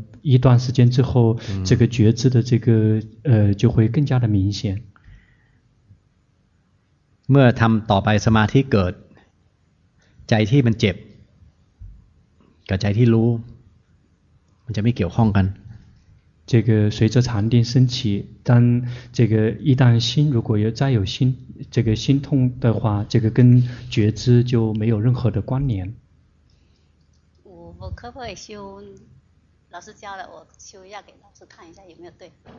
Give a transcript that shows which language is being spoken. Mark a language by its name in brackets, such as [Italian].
[Chinese] 一段时间之后这个觉知的这个就会更加的明显 [Thai] เมื่อทำต่อไปสมาธิเกิดใจที่มันเจ็บกับใจที่รู้มันจะไม่เกี่ยวข้องกัน [Chinese] 这个随着禅定升起但这个一旦心如果有再有心这个心痛的话这个跟觉知就没有任何的关联我可不可以修老师教了我修一下给老师看一下有没有对